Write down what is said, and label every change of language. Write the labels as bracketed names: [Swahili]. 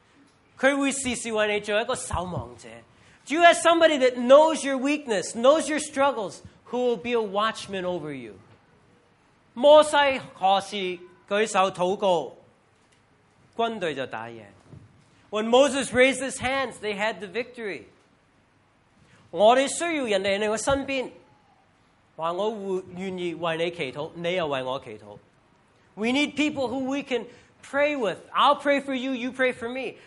[Chinese] 你有一些人知道你的软弱，知道你的困难，他会时时为你做一个守望者。 [English] Do you have somebody that knows your weakness, knows your struggles, who will be a watchman over you? [Chinese] 摩西何时举手祷告，军队就打赢。 [English] When Moses raised his hands, they had the victory. [Chinese] 我们需要人家在你的身边，说我愿意为你祈祷，你又为我祈祷。 [English] We need people who we can pray with. I'll pray for you, you pray for me.